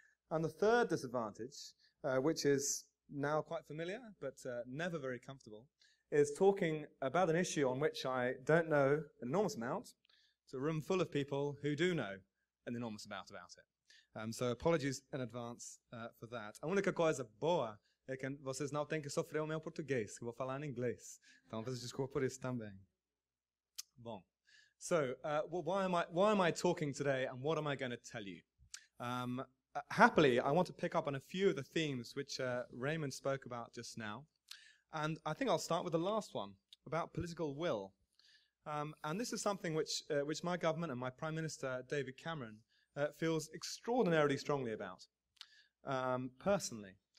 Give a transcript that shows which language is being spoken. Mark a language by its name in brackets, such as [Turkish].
[English] And the third disadvantage, which is now quite familiar, but never very comfortable, is talking about an issue on which I don't know an enormous amount. It's a room full of people who do know an enormous amount about it. So apologies in advance for that. [Portuguese] A única coisa boa é que vocês não têm que sofrer o meu português, que vou falar em inglês. Então, vocês desculpem por isso também. Bom. [English] So, why am I talking today and what am I going to tell you? Happily, I want to pick up on a few of the themes which Raymond spoke about just now. And I think I'll start with the last one, about political will. And this is something which my government and my Prime Minister, David Cameron, feels extraordinarily strongly about, personally.